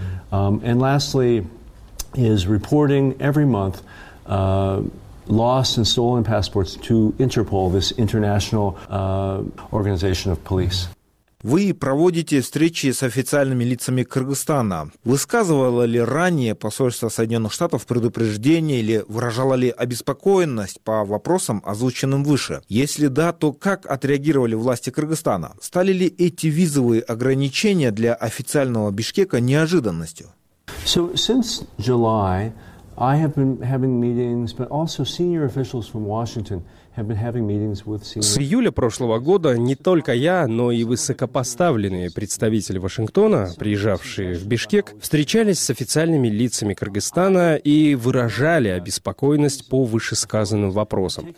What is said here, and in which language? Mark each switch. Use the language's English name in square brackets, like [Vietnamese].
[English] And lastly, is reporting every month lost and stolen passports to Interpol, this international organization of police. [Russian] Вы проводите встречи с официальными лицами Кыргызстана. Высказывало ли ранее посольство Соединенных Штатов предупреждение или выражало ли обеспокоенность по вопросам, озвученным выше? Если да, то как отреагировали власти Кыргызстана? Стали ли эти визовые ограничения для официального Бишкека неожиданностью? [English] So, since July, I have been having meetings, but also senior officials from Washington. [Russian] С июля прошлого года не только я, но и высокопоставленные представители Вашингтона, приезжавшие в Бишкек, встречались с официальными лицами Кыргызстана и выражали обеспокоенность по вышесказанным вопросам.